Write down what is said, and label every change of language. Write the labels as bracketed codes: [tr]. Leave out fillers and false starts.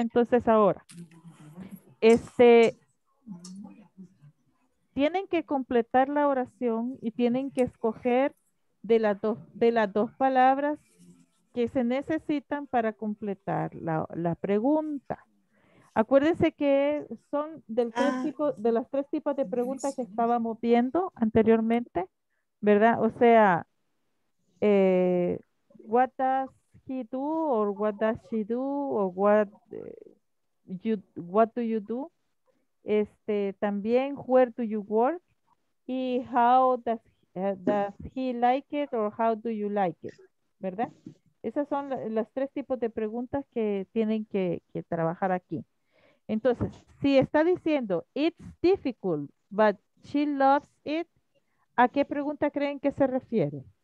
[es] Entonces, ahora, tienen que completar la oración y tienen que escoger de las dos palabras que se necesitan para completar la pregunta. Acuérdense que son de las tres tipos de preguntas que estábamos viendo anteriormente, ¿verdad? O sea, [en] what does he do or what does she do or what do you do? [es] También, [en] where do you work? Y how does he like it or how do you like it? [es] ¿Verdad? Esas son las tres tipos de preguntas que tienen que trabajar aquí. Entonces, si está diciendo [en] it's difficult, but she loves it, [es] ¿a qué pregunta creen que se refiere?